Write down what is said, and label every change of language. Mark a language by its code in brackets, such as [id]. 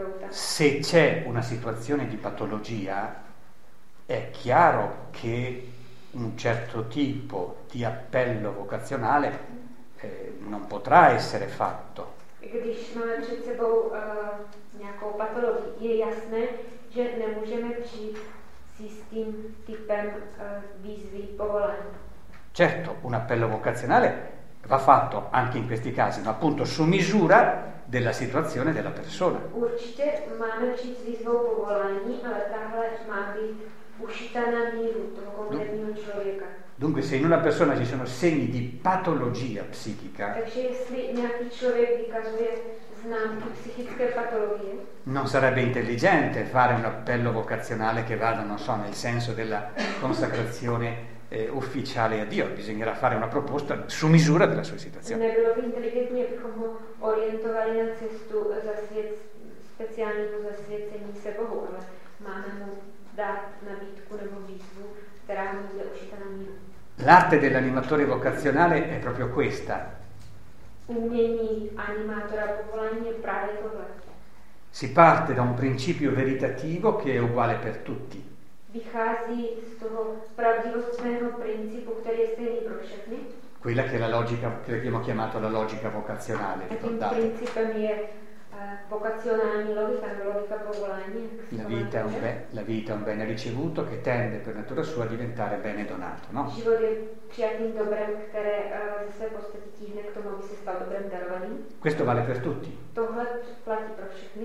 [it] Se c'è una situazione di patologia, è chiaro che un certo tipo di appello vocazionale non potrà essere fatto. [cs] Když máme před sebou nějakou patologii, je jasné, že nemůžeme přijít s tím typem výzvy povolání. [it] Certo, un appello vocazionale va fatto anche in questi casi, ma appunto su misura della situazione della persona. [cs] Určitě máme přijít s výzvou povolání, ale tahle má být ušita na míru toho konkrétního člověka. [it] Dunque, se in una persona ci sono segni di patologia psichica, [cs] takže jestli nějaký člověk vykazuje známky psychické patologie, [it] non sarebbe intelligente fare un appello vocazionale che vada, non so, nel senso della consacrazione ufficiale a Dio. Bisognerà fare una proposta su misura della sua situazione. [cs] Nebylo by inteligentní, abychom ho orientovali na cestu speciálního zasvěcení se Bohu, ale máme mu dát nabídku nebo výzvu, která mu bude ušita na míru. [it] L'arte dell'animatore vocazionale è proprio questa. [cs] Umění animátora povolání je právě tohle. [it] Si parte da un principio veritativo che è uguale per tutti. [cs] Vychází z toho pravdivostného principu, který je stejný pro všechny. [it] Quella che è la logica, che abbiamo chiamato la logica vocazionale. [cs] Tím principem je vocazionální logika, logika povolání. [it] La vita è un bene ricevuto che tende per natura sua a diventare bene donato, no? [cs] Život je přijatým dobrem, které se postaví tíhne k tomu, aby se stal dobrem darovaný. [it] Questo vale per tutti. [cs] Tohle platí pro všechny.